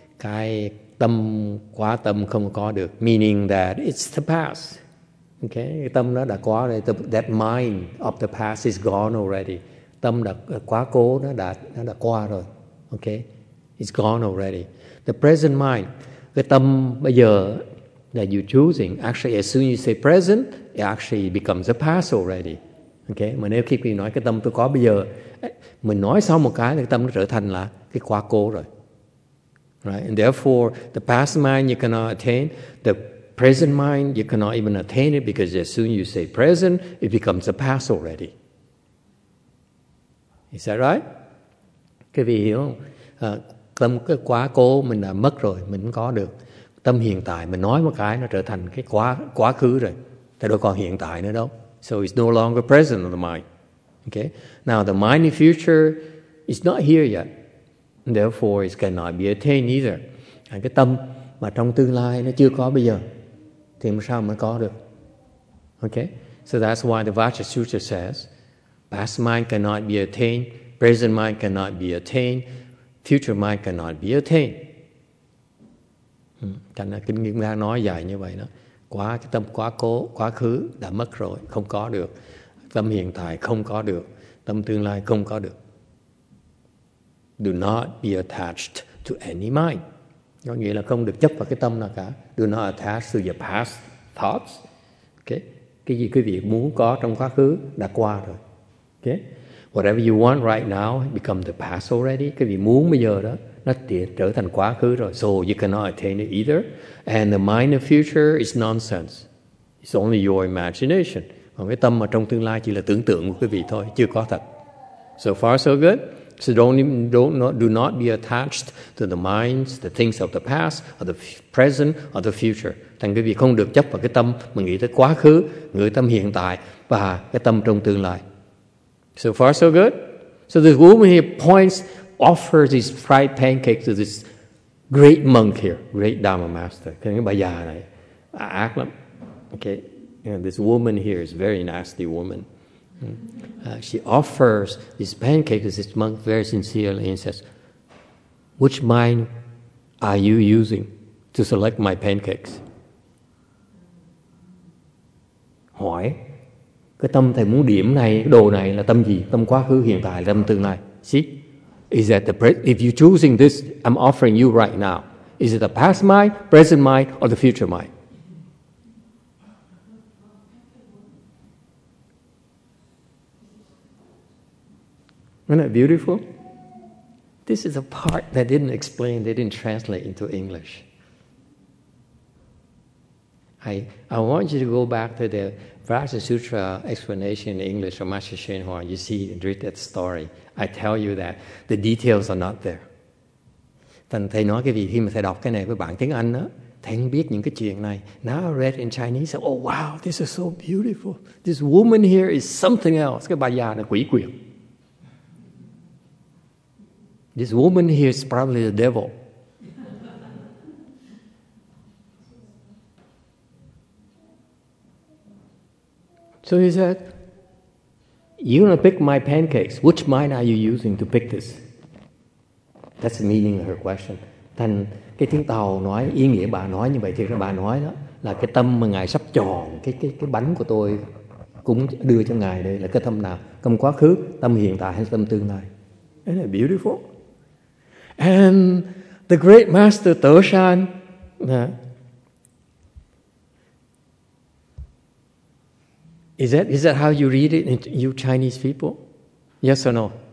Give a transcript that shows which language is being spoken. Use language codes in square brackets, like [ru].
[vi] Cái tâm quá tâm không có được. [en] Meaning that it's the past. [vi] Okay? Cái tâm đó đã quá rồi. [en] That mind of the past is gone already. [vi] Tâm đã quá cố, nó đã qua rồi. [en] Okay? It's gone already. The present mind, [vi] cái tâm bây giờ [en] that you're choosing, actually as soon as you say present, it actually becomes a past already. Okay? [vi] Mà nếu khi mình nói cái tâm tôi có bây giờ, mình nói sau một cái, cái tâm nó trở thành là cái quá cố rồi. [en] Right? And therefore, the past mind you cannot attain, the present mind you cannot even attain it because as soon as you say present, it becomes a past already. Is that right? [vi] Cái vị hiểu không? Tâm cái quá cố mình đã mất rồi, mình không có được. Tâm hiện tại mình nói một cái nó trở thành cái quá khứ rồi. Tại đâu còn hiện tại nữa đâu. [en] So it's no longer present on the mind. Okay? Now the mind in future is not here yet. Therefore it cannot be attained either. [vi] Cái tâm mà trong tương lai nó chưa có bây giờ thì sao mà có được? [en] Okay? So that's why the Vajra Sutra says, past mind cannot be attained, present mind cannot be attained, future mind cannot be attained. [vi] Thành ra Kinh Nghiêm Ngang nói dài như vậy đó. Quá cái tâm quá cố, quá khứ đã mất rồi, không có được. Tâm hiện tại không có được, tâm tương lai không có được. [en] Do not be attached to any mind. [vi] Có nghĩa là không được chấp vào cái tâm nào cả. [en] Do not attach to your past thoughts. Okay. [vi] Cái gì quý vị muốn có trong quá khứ đã qua rồi. [en] Okay. Whatever you want right now become the past already. [vi] Cái gì muốn bây giờ đó nó trở thành quá khứ rồi. [en] So you cannot attain it either. And the mind of future is nonsense. It's only your imagination. [vi] Còn cái tâm mà trong tương lai chỉ là tưởng tượng của quý vị thôi, chưa có thật. [en] So far so good. So do not be attached to the minds, the things of the past, or the present, or the future. [vi] Thành quý vị không được chấp vào cái tâm mà nghĩ tới quá khứ, người tâm hiện tại và cái tâm trong tương lai. [en] So far so good. So this woman here points, offers this fried pancake to this great monk here, great Dharma master. [vi] Cái bà già này ác lắm. [en] Okay. And this woman here is a very nasty woman. She offers this pancake to this monk very sincerely and says, which mind are you using to select my pancakes? [vi] Hỏi, cái tâm thầy muốn điểm này, cái đồ này là tâm gì? Tâm quá khứ, hiện tại, tâm tương lai. [en] See? Is that the if you're choosing this, I'm offering you right now. Is it the past mind, present mind, or the future mind? Isn't that beautiful? This is a part they didn't explain, they didn't translate into English. I want you to go back to the Vrasa Sutra explanation in English from Master Shenhua. You see and read that story. I tell you that the details are not there. [vi] Thành thầy nói cái gì khi mà thầy đọc cái này với bạn tiếng Anh á, thầy không biết những cái chuyện này. [en] Now I read in Chinese, oh wow, this is so beautiful. This woman here is something else. [vi] Cái bà già là quỷ quyệt. [en] This woman here is probably the devil. So he said, you're going to pick my pancakes. Which mind are you using to pick this? That's the meaning of her question. [vi] Thành cái tiếng Tàu nói, ý nghĩa bà nói như vậy, thì bà nói đó là cái tâm mà Ngài sắp chọn cái bánh của tôi cũng đưa cho Ngài đây là cái tâm nào? Tâm quá khứ, tâm hiện tại hay tâm tương lai? [en] Isn't that beautiful? And the great master Doshan, is that how you read it, you Chinese people? Yes or no?